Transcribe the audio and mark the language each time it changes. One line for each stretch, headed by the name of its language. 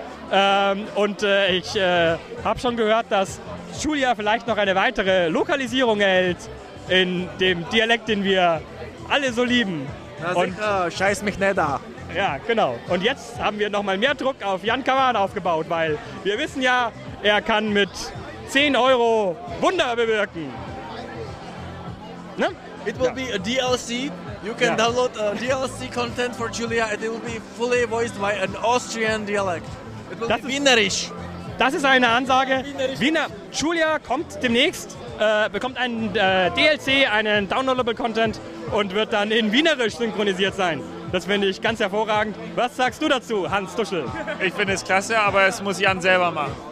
German: Ich habe schon gehört, dass Julia vielleicht noch eine weitere Lokalisierung erhält in dem Dialekt, den wir alle so lieben. Scheiß mich nicht da. Ja, genau. Und jetzt haben wir nochmal mehr Druck auf Jan Kavan aufgebaut, weil wir wissen ja, er kann mit 10 Euro Wunder bewirken.
English: Ne? It will be a DLC. You can download DLC content for Julia and it will be fully voiced by an Austrian dialect. It will be Wienerisch.
German: Das ist eine Ansage. Julia kommt demnächst, bekommt einen DLC, einen downloadable Content und wird dann in Wienerisch synchronisiert sein. Das finde ich ganz hervorragend. Was sagst du dazu, Hans Duschel? Ich finde es klasse, aber es muss Jan selber machen.